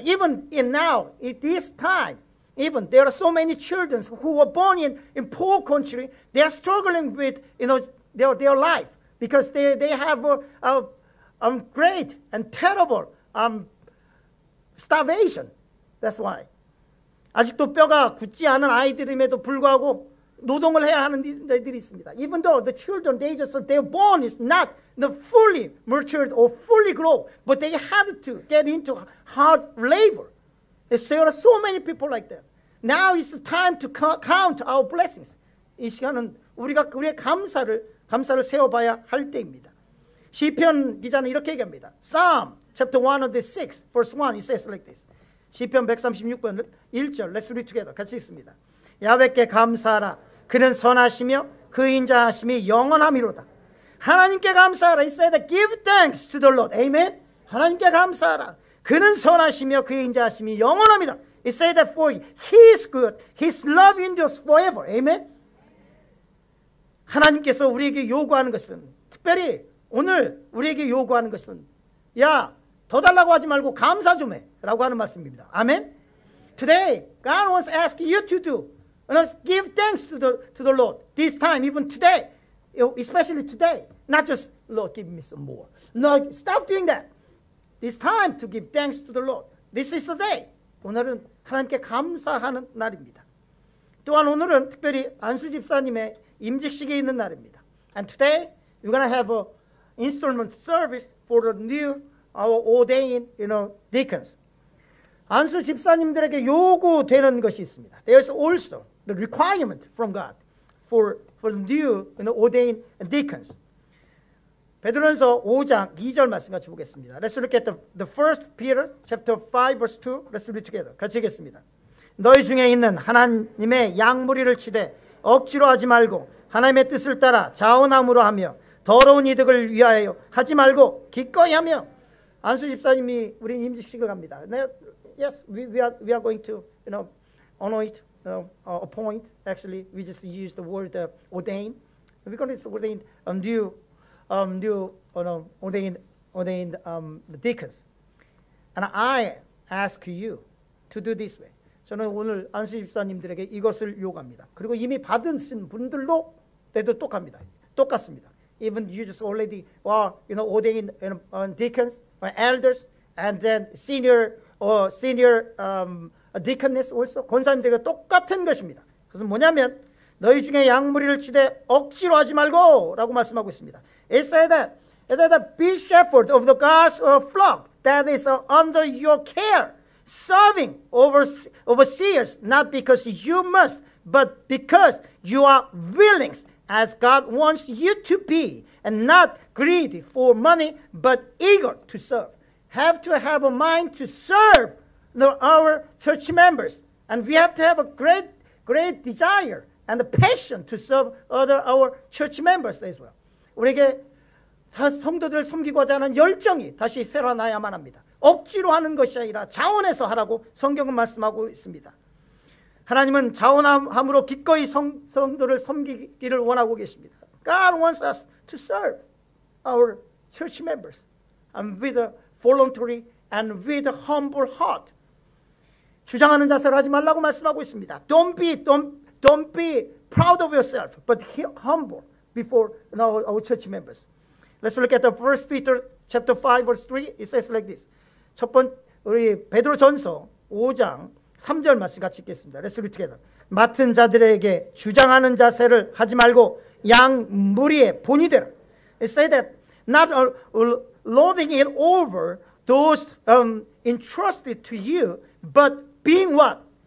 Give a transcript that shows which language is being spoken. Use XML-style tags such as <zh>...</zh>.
<en>Even in now, in this time. Even there are so many children who were born in poor country, they are struggling with their life because they have a great and terrible starvation. That's why.</en> <ko>아직도 뼈가 굳지 않은 아이들임에도 불구하고 노동을 해야 하는 아이들이 있습니다.</ko> <en>Even though the children they're born is not fully matured or fully grown, but they had to get into hard labor. There are so many people like that. Now is the time to count our blessings.</en> <ko>이 시간은 우리가 우리의 감사를 세워봐야 할 때입니다. 시편 기자는 이렇게 얘기합니다.</ko> <en>Psalm chapter 106, verse 1, it says like this.</en> <ko>시편 136편 1절,</ko> <en>let's read together.</en> <ko>같이 읽습니다. 야훼께 감사하라. 그는 선하시며 그 인자하심이 영원함이로다. 하나님께 감사하라.</ko> <en>He said that give thanks to the Lord. Amen.</en> <ko>하나님께 감사하라. 그는 선하시며 그 인자하심이 영원합니다. He said that for He is good. His love endures forever. Amen. 하나님께서 우리에게 요구하는 것은 특별히 오늘 우리에게 요구하는 것은 야, 더 달라고 하지 말고 감사 좀 해 라고 하는 말씀입니다. 아멘.</ko> <en>Today, God wants to ask you to do and give thanks to the Lord this time, even today, especially today. Not just, Lord, give me some more. No, stop doing that. It's time to give thanks to the Lord. This is the day.</en> <ko>오늘은 하나님께 감사하는 날입니다. 또한 오늘은 특별히 안수 집사님의 임직식이 있는 날입니다.</ko> <en>And today we're going to have an installment service for the new ordained deacons.</en> <ko>안수 집사님들에게 요구되는 것이 있습니다.</ko> <en>There is also the requirement from God for new, you know, ordained deacons.</en> <ko>베드로전서 5장 2절 말씀 같이 보겠습니다.</ko> <en>Let's look at the first Peter chapter 5 verse 2. Let's read together.</en> <ko>같이 읽겠습니다. 너희 중에 있는 하나님의 양무리를 치되 억지로 하지 말고 하나님의 뜻을 따라 자원함으로 하며 더러운 이득을 위하여 하지 말고 기꺼이 하며. 안수 집사님이 우리 임직식을 갑니다.</ko> <en>Yes, we are going to, you know, anoint, you know, appoint. Actually, we just use the word ordain. We're going to ordain new, ordained the deacons. And I ask you to do this way.</en> <ko>저는 오늘 안수 집사님들에게 이것을 요구합니다. 그리고 이미 받은 분들도 때도 똑같습니다. 똑같습니다.</ko> <en>Even you just already are, you know, ordained, you know, deacons, elders, and then senior or senior deaconess also.</en> <ko>권사님들과 똑같은 것입니다. 그것은 뭐냐면 너희 중에 양무리를 치되 억지로 하지 말고라고 말씀하고 있습니다.</ko> <en>It said that, be shepherd of the God's flock that is under your care, serving overseers, not because you must, but because you are willing. As God wants you to be, and not greedy for money, but eager to serve. Have to have a mind to serve our church members. And we have to have a great, great desire and a passion to serve other our church members as well.</en> <ko>우리에게 성도들을 섬기고자 하는 열정이 다시 살아나야만 합니다. 억지로 하는 것이 아니라 자원해서 하라고 성경은 말씀하고 있습니다. 하나님은 자원함으로 기꺼이 성도를 섬기기를 원하고 계십니다.</ko> <en>God wants us to serve our church members and with a voluntary and with a humble heart.</en> <ko>주장하는 자세로 하지 말라고 말씀하고 있습니다.</ko> <en>Don't be proud of yourself, but humble before our church members. Let's look at the First Peter chapter 5 verse 3. It says like this.</en> <ko>첫 번째 우리 베드로 전서 5장 3절 말씀 같이 읽겠습니다.</ko> <en>Let's read together.</en> <ko>맡은 자들에게 주장하는 자세를 하지 말고 양 무리의 본이 되라.</ko> <en>It says that not lording it over those entrusted to you, but being what?</en>